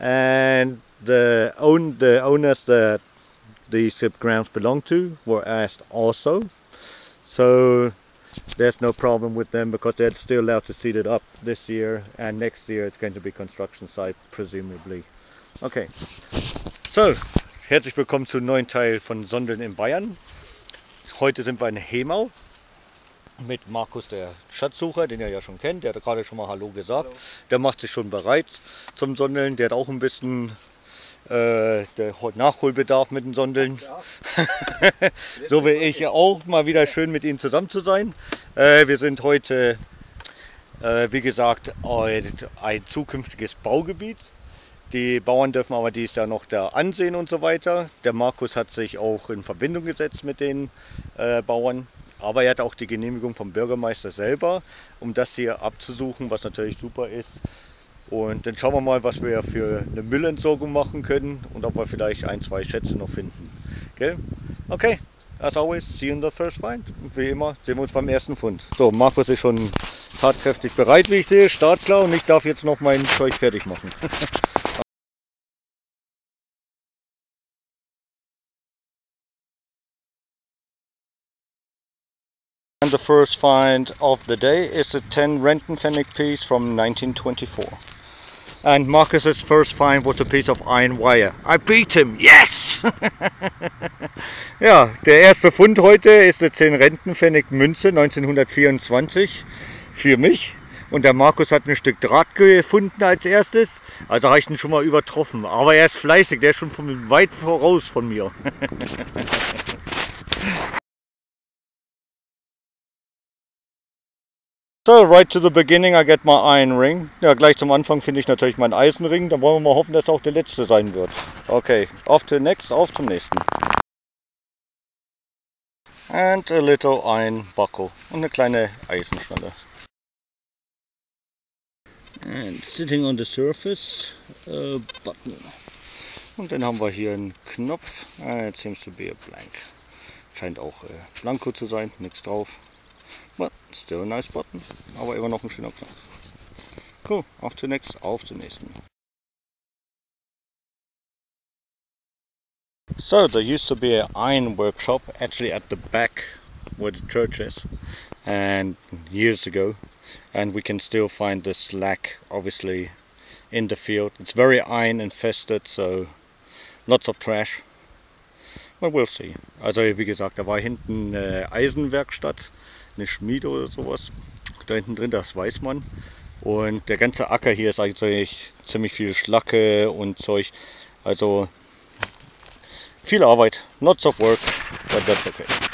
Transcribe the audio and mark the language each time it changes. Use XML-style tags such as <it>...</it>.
<en>And the owners that these grounds belong to were asked also. So there's no problem with them because they're still allowed to seed it up this year, and next year it's going to be construction site, presumably. Okay.</en> <de>So, herzlich willkommen zum neuen Teil von Sondeln in Bayern. Heute sind wir in Hemau mit Markus, der Schatzsucher, den ihr ja schon kennt. Der hat gerade schon mal Hallo gesagt. Hallo. Der macht sich schon bereit zum Sondeln. Der hat auch ein bisschen Nachholbedarf mit den Sondeln. Ja. So wie ich auch. Mal wieder schön mit Ihnen zusammen zu sein. Wir sind heute, wie gesagt, ein zukünftiges Baugebiet. Die Bauern dürfen aber dies ja noch da ansehen und so weiter. Der Markus hat sich auch in Verbindung gesetzt mit den Bauern. Aber er hat auch die Genehmigung vom Bürgermeister selber, um das hier abzusuchen, was natürlich super ist. Und dann schauen wir mal, was wir für eine Müllentsorgung machen können und ob wir vielleicht ein, zwei Schätze noch finden. Gell?</de> <en>Okay, as always, see you in the first find.</en> <de>Und wie immer, sehen wir uns beim ersten Fund. So, Markus ist schon tatkräftig bereit, wie ich sehe, startklar, und ich darf jetzt noch mein Zeug fertig machen.</de> <en>And the first find of the day is a 10 Renton Pfennig piece from 1924. And Marcus's first find was a piece of iron wire. I beat him! Yes!</en> <de>Ja, der erste Fund heute ist eine 10 Renton Pfennig Münze 1924 für mich. Und der Markus hat ein Stück Draht gefunden als erstes. Also habe ich ihn schon mal übertroffen. Aber er ist fleißig, der ist schon von weit voraus von mir.</de> <en>So, right to the beginning, I get my iron ring.</en> <de>Ja, gleich zum Anfang finde ich natürlich meinen Eisenring. Dann wollen wir mal hoffen, dass er auch der letzte sein wird.</de> <en>Okay, off to the next,</en> <de>auf zum nächsten.</de> <en>And a little iron buckle.</en> <de>Und eine kleine Eisenschnalle.</de> <en>And sitting on the surface, a button.</en> <de>Und dann haben wir hier einen Knopf.</de> <en>It seems to be a blank.</en> <de>Scheint auch Blanko zu sein, nichts drauf.</de> <en>But still a nice button,</en> <de>aber immer noch ein schöner Knopf.</de> <en>Cool, off to the next,</en> <de>auf zum nächsten.</de> <en>So, there used to be an iron workshop actually at the back where the church is, and years ago, and we can still find the slack obviously in the field. It's very iron infested, so lots of trash. But we'll see.</en> <de>Also, wie gesagt, da war hinten eine Eisenwerkstatt. Eine Schmiede oder sowas. Da hinten drin, das weiß man. Und der ganze Acker hier ist eigentlich ziemlich viel Schlacke und Zeug. Also viel Arbeit.</de> <en>Lots of work, but that's okay.</en>